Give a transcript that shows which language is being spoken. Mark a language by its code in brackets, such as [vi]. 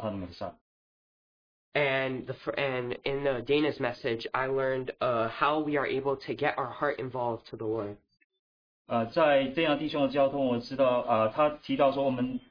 [zh] 不管是我们现在的情况怎么样，主叫我们能够尝尝主恩的滋味，知道他的美善。 [en] And in the Dana's message, I learned how we are able to get our heart involved to the Lord. [zh] 在这样弟兄的交通，我知道他提到说我们。